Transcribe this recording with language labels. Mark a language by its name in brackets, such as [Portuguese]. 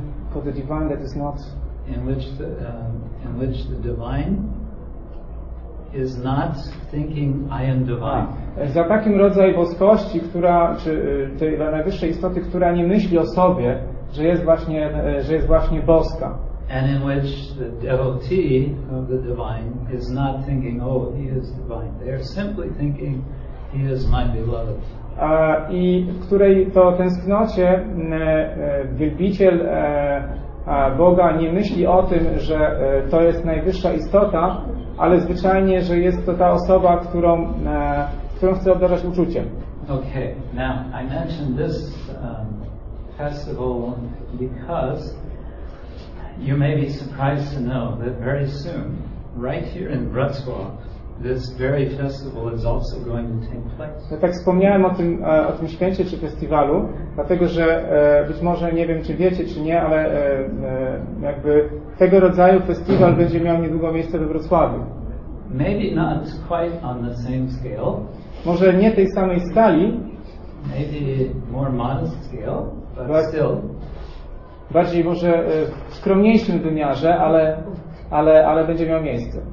[English] for the divine that is not in which the divine is not thinking I am divine. [Polish] Za takim rodzaj boskości, która czy tej najwyższej istoty, która nie myśli o sobie, że jest właśnie boska. [English] And in which the devotee of the divine is not thinking, oh, he is divine. They are simply thinking, he is my beloved. [Polish] I w której to tęsknocie wielbiciel Boga nie myśli o tym, że to jest najwyższa istota, ale zwyczajnie, że jest to ta osoba, którą chce obdarzać uczuciem. [English] Okay, now I mentioned this festival because you may be surprised to know that very soon, right here in Wrocław, this very festival is also going to take place. [Polish] Ja tak wspomniałem o tym święcie czy festiwalu, dlatego że być może nie wiem, czy wiecie, czy nie, ale jakby tego rodzaju festiwal będzie miał niedługo miejsce we Wrocławiu. [English] Maybe not quite on the same scale. [Polish] Może nie tej samej skali. [English] Maybe more modest scale, but still. [Polish] Bardziej może w skromniejszym wymiarze, ale będzie miał miejsce.